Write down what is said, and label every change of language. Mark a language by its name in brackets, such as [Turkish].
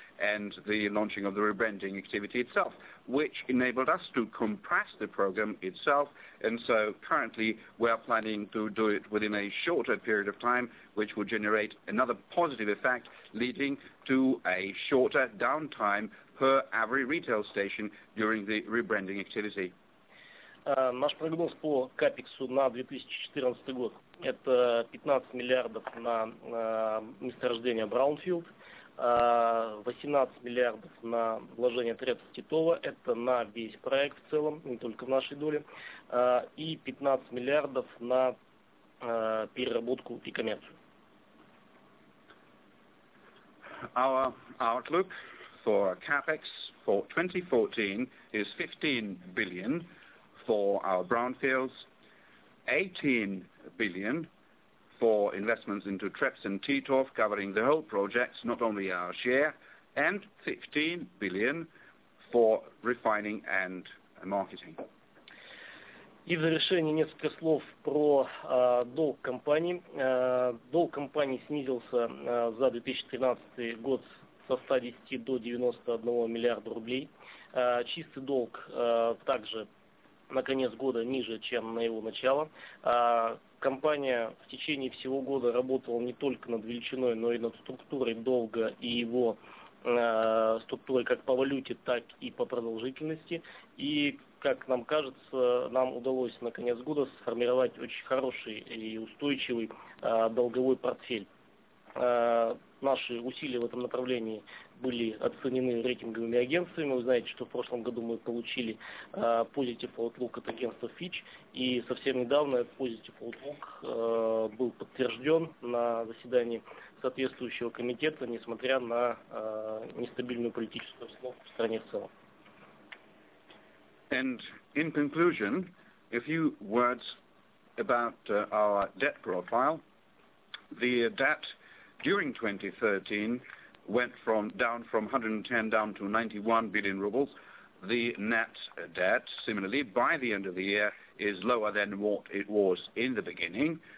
[English] and the launching of the rebranding activity itself, which enabled us to compress the program itself, and so currently we are planning to do it within a shorter period of time, which will generate another positive effect leading to a shorter downtime per every retail station during the rebranding activity. [Russian] Наш прогноз по капексу на 2014 год – это 15 миллиардов на месторождение Браунфилд, 18 миллиардов на вложение ТРЭПС Титова – это на весь проект в целом, не только в нашей доле, и 15 миллиардов на переработку и коммерцию. [English] Our outlook for capex for 2014 is 15 billion. For our brownfields, 18 billion for investments into TREPS and TTOF, covering the whole projects, not only our share, and 15 billion for refining and marketing. [Russian] И в завершение несколько слов про долг компании. Долг компании снизился за 2013 год со 110 до 91 миллиарда рублей. Чистый долг также на конец года ниже, чем на его начало. Компания в течение всего года работала не только над величиной, но и над структурой долга и его структурой как по валюте, так и по продолжительности. И, как нам кажется, нам удалось на конец года сформировать очень хороший и устойчивый долговой портфель. Наши усилия в этом направлении были оценены рейтинговыми агентствами. Вы знаете, что в прошлом году мы получили Positive Outlook от агентства Fitch, и совсем недавно Positive Outlook был подтвержден на заседании соответствующего комитета, несмотря на нестабильную политическую обстановку в стране в целом. [English] And in conclusion, a few words about our debt profile. The debt during 2013 went from down from 110 down to 91 billion rubles. The net debt, similarly, by the end of the year, is lower than what it was in the beginning.